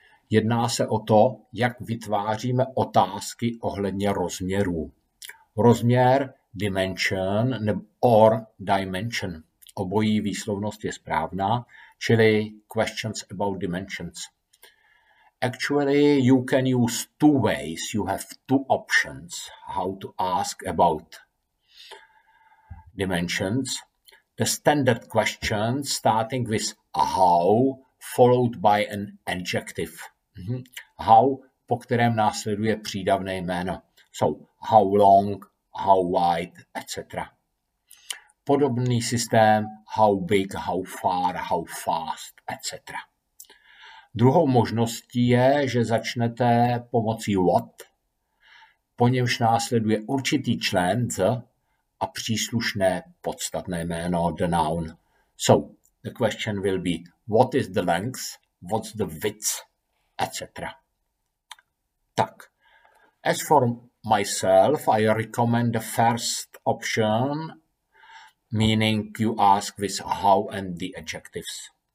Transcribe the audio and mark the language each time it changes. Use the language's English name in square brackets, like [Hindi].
[Czech] Jedná se o to, jak vytváříme otázky ohledně rozměrů. [English] Rozměr, dimension or dimension. [Czech] Obojí výslovnost je správná, čili [English] questions about dimensions. Actually, you can use two ways. You have two options how to ask about dimensions. The standard question starting with how followed by an adjective. How, [Czech] po kterém následuje přídavné jméno. [English] So, how long, how wide, etc. [Czech] Podobný systém, [English] how big, how far, how fast, etc. [Czech] Druhou možností je, že začnete pomocí what, po němž následuje určitý člen the a příslušné podstatné jméno, [English] the noun. So, the question will be, what is the length, what's the width, etc. Tak, as for myself, I recommend the first option, meaning you ask with how and the adjectives.